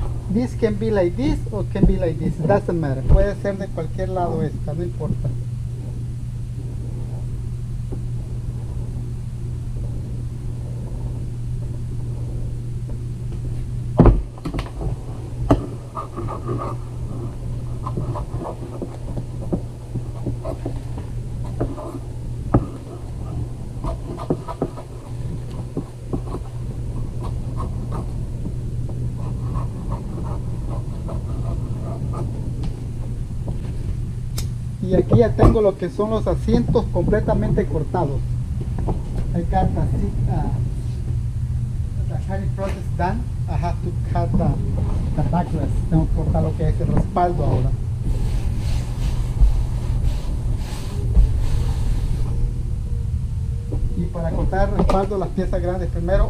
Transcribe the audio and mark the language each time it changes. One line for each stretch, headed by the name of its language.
English: This can be like this or can be like this. It doesn't matter.
Spanish: Puede ser de cualquier lado esta, no importa. Y aquí ya tengo lo que son los asientos completamente cortados.
English: I got the cutting process done. I have to cut the backrest.
Spanish: Tengo que cortar lo que es el respaldo ahora. Y para cortar el respaldo, las piezas grandes primero.